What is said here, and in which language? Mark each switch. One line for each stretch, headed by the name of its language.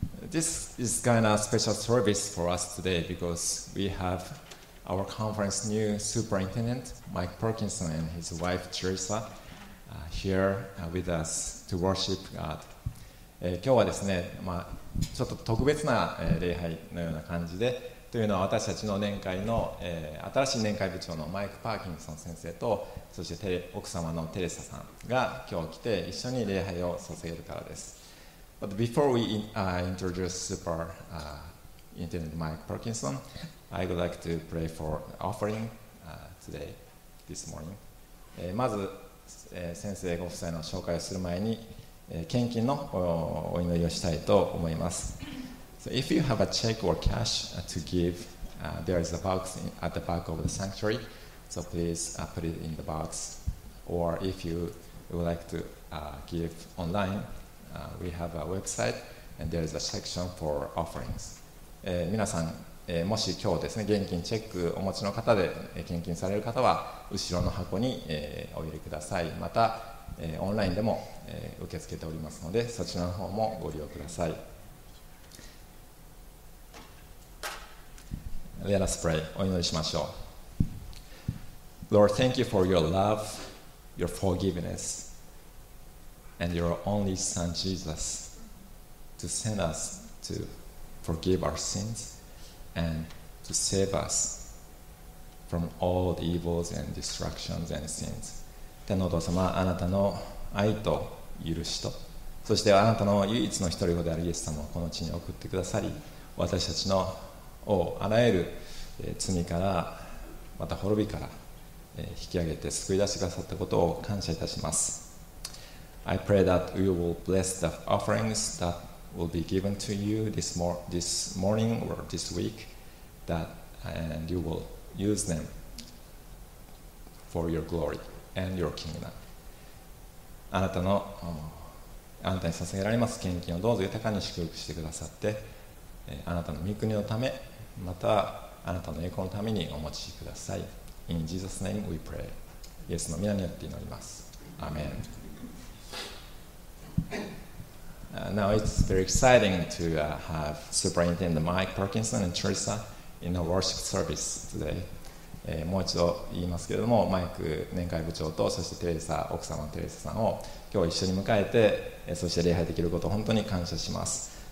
English: This is kind of special service for us today because we have our conference new superintendent, Mike Parkinson, and his wife, Teresa, here with us to worship God.
Japanese: 今日はですね、まあ、ちょっと特別な礼拝のような感じで、というのは私たちの年会の、新しい年会部長のマイク・パーキンソン先生と、そして奥様のテレサさんが今日来て一緒に礼拝を捧げるからです。
English: But before we introduce Super Intendent Mike Parkinson, I would like to pray for offering today, this morning.
Japanese: まず、先生ご夫妻の紹介をする前に、献金の お祈りをしたいと思います。
English: So if you have a check or cash to give, there is a box at the back of the sanctuary. So please put it in the box. Or if you would like to give online, we have a website and there is a section for offerings.
Japanese: 皆さん、もし今日ですね、現金チェックお持ちの方で献金される方は後ろの箱に、お入れください。また、オンラインでも、受け付けておりますので、そちらの方もご利用ください。
English: Let us pray.
Japanese: お祈りしましょう。
English: Lord, thank you for your love, your forgiveness, and your only Son Jesus to send us to forgive our sins and to save us from all the evils and destructions and sins.
Japanese: 天のお父様、あなたの愛と許しと、そしてあなたの唯一の一人子であるイエス様をこの地に送ってくださり、私たちのをあらゆる罪からまた滅びから引き上げて救い出してくださったことを感謝いたします。
English: I pray that you will bless the offerings that will be given to you this morning or this week that, and you will use them for your glory and your kingdom.
Japanese: あなたに捧げられます献金をどうぞ豊かに祝福してくださって、あなたの御国のためまたあなたの栄光のためにお持ちください。
English: In Jesus' name we pray.
Japanese: イエスの御名によって祈ります。アメン。
English: Now it's very exciting to have Superintendent Mike Parkinson and Teresa in a worship service today.
Japanese: もう一度言いますけれども、マイク年会部長とそしてテレサ奥様のテレサさんを今日一緒に迎えて、そして礼拝できることを本当に感謝します。